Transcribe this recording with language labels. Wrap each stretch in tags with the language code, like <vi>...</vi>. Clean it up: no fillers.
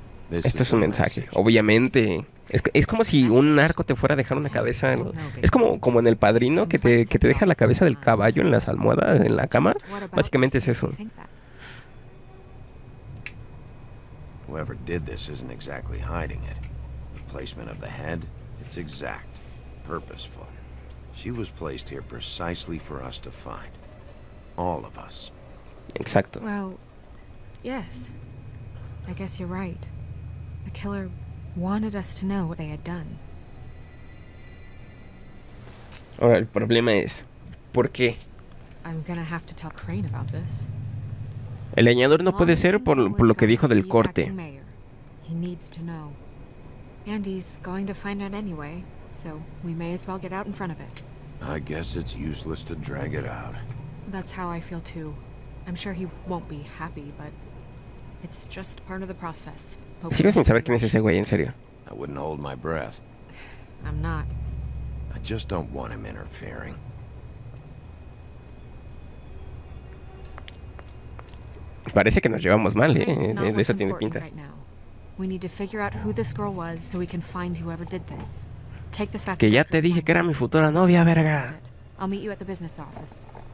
<es>Esto es un mensaje, obviamente. Es como si un narco te fuera a dejar una cabeza. Es como en El Padrino, que te deja la cabeza del caballo en las almohadas, en la cama. Básicamente es eso.</es> <en>Whoever did this isn't exactly hiding it. The placement of the head, it's exact, purposeful. She was placed here precisely for us to find. All of us.</en> <es>Exacto.</es> <en>Well, yes. I guess you're right. The killer wanted us to know what they had done.</en> <es>Ahora, el problema es, ¿por qué?</es> <en>I'm gonna have to tell Crane about this.</en> <es>El leñador no puede ser por lo que dijo del corte.</es> <en>He needs to know. And he's going to find out anyway, so we may as well get out in front of it. I guess it's useless to drag it out. That's how I feel too. I'm sure he won't be happy, but it's just part of the process.</en> <es>Sigo sin saber quién es ese güey, en serio.</es> <en>I wouldn't hold my breath. I'm not. I just don't want him interfering.</en> <es>Parece que nos llevamos mal, de eso tiene pinta.</es> <en>We need to figure out who this girl was so we can find whoever did this. Take this back.</en> <es>Que ya te dije que era mi futura novia, verga.</es> <en>I'll meet you at the business office.</en>